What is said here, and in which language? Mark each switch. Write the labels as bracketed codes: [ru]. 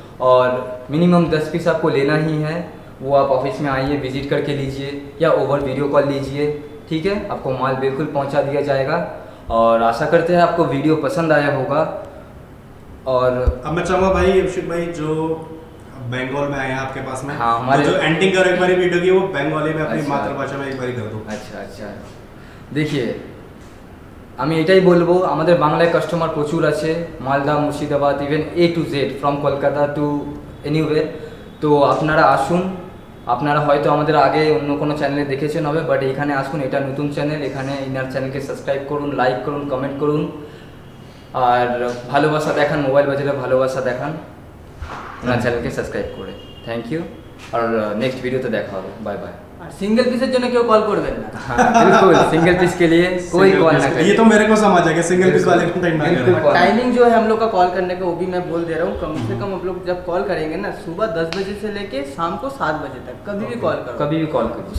[hi] और minimum 10 piece आपको लेना ही है, वो आप ऑफिस में आइए विजिट करके लीजिए या ओवर वीडियो कॉल लीजिए, ठीक है, आपको माल बिल्कुल पहुँचा दिया जाएगा। और आशा करते हैं आपको वीडियो पसंद आया होगा। और अब मैं चाहूंगा भाई अभिषेक भाई जो बंगाल में आए हैं आपके पास में, हाँ, हमारे जो एंडिंग करो एक बारी वीडियो की, वो बंगाली में अपनी मातृभाषा में एक बारी कर दो। अच्छा अच्छा, देखिए [bn] আমি এটাই বলবো, আমাদের বাংলায় কাস্টমার প্রচুর আছে, Malda Murshidabad even a to Z from Kolkata two anyway. তো আপনারা আসুন, আপনারা হয়তো আমাদের আগে অন্য কোনো চ্যানেলে দেখেছেন হবে, বাট এখানে আসুন, এটা নতুন চ্যানেল, এখানে ইনার চ্যানেলকে সাবস্ক্রাইব করুন, লাইক করুন, কমেন্ট করুন, আর ভালোবাসা দেখান মোবাইল বাজারে, ভালোবাসা দেখান ইনার চ্যানেলকে সাবস্ক্রাইব করে। থ্যাংক ইউ, আর নেক্সট ভিডিওতে দেখা হবে, বাই বাই। [hi] सिंगल पीसेज जो ना क्यों कॉल कर देना, बिल्कुल सिंगल पीस के लिए कोई कॉल ना करे, ये तो मेरे को समझ आ गया, सिंगल पीस वाले का टाइम ना करे। टाइमिंग जो है हम लोग का कॉल करने का वो भी मैं बोल दे रहा हूँ, कम से कम आप लोग जब कॉल करेंगे ना सुबह 10 बजे से लेके शाम को 7 बजे तक कभी भी कॉल करो, कभी भी कॉल करो,